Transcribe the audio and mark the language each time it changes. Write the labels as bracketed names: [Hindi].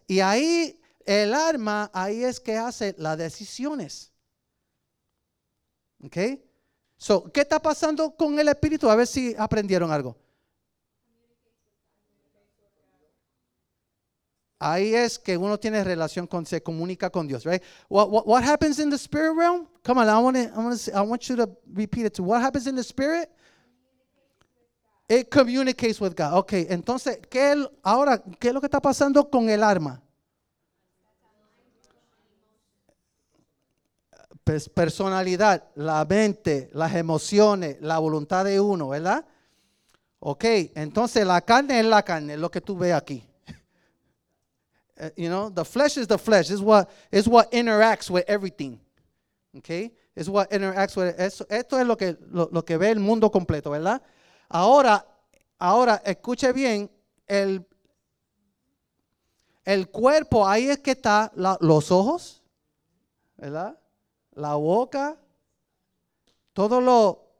[Spanish] Y ahí el alma, ahí es que hace las decisiones. ¿Ok? So, ¿qué está pasando con el espíritu? A ver si aprendieron algo. Ahí es que uno tiene relación con, se comunica con Dios, right? [English] What happens in the spirit realm? Come on, I want you to repeat it too. What happens in the spirit? It communicates with God. [Spanish] Okay, entonces, ¿qué es lo que está pasando con el alma? Personalidad, la mente, las emociones, la voluntad de uno, ¿verdad? Okay, entonces la carne es la carne, lo que tú ves aquí. [English] You know, the flesh is the flesh. It's what interacts with everything. Okay? It's what interacts with eso. [Spanish] Esto es lo que ve el mundo completo, ¿verdad? Ahora, escuche bien. El cuerpo, ahí es que está los ojos, ¿verdad? La boca, todos los